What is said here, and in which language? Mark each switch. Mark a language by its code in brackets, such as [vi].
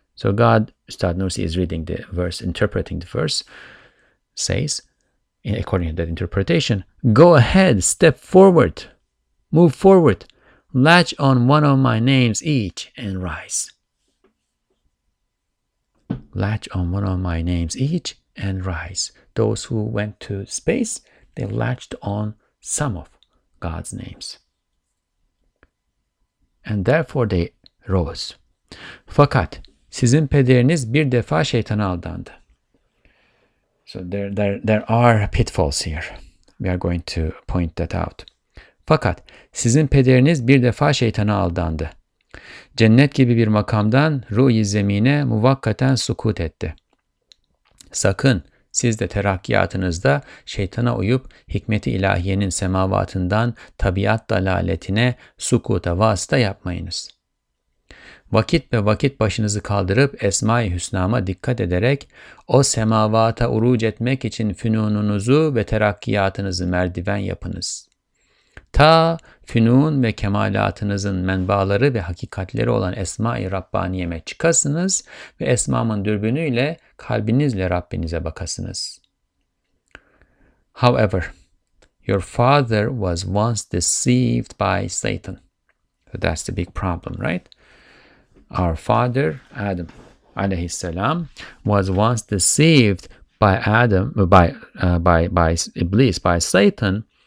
[en] So God, Ustad Nursi is reading the verse, interpreting the verse, says, according to that interpretation, go ahead, step forward, move forward, latch on one of my names each and rise. Latch on one of my names each and rise. Those who went to space, they latched on some of God's names. And therefore they rose. [tr] Fakat sizin pederiniz bir defa şeytana aldandı. [en] So there are pitfalls here. We are going to point that out. [tr] Fakat sizin pederiniz bir defa şeytana aldandı. Cennet gibi bir makamdan ruh-i zemine muvakkaten sukut etti. Sakın siz de terakkiyatınızda şeytana uyup hikmeti ilahiyenin semavatından tabiat dalaletine sukuta vasıta yapmayınız. vakit be vakit başınızı kaldırıp Esma-i Hüsna'ma dikkat ederek o semavata uruc etmek için fünununuzu ve terakkiyatınızı merdiven yapınız. Ta fünun ve kemalatınızın menbaları ve hakikatleri olan Esma-i Rabbaniye'me çıkasınız ve Esma'mın dürbünüyle kalbinizle Rabbinize bakasınız. [en] However, your father was once deceived by Satan. So that's the big problem, right? Our father, Adam, alayhi salam, was once deceived by Adam, by Iblis, by Satan.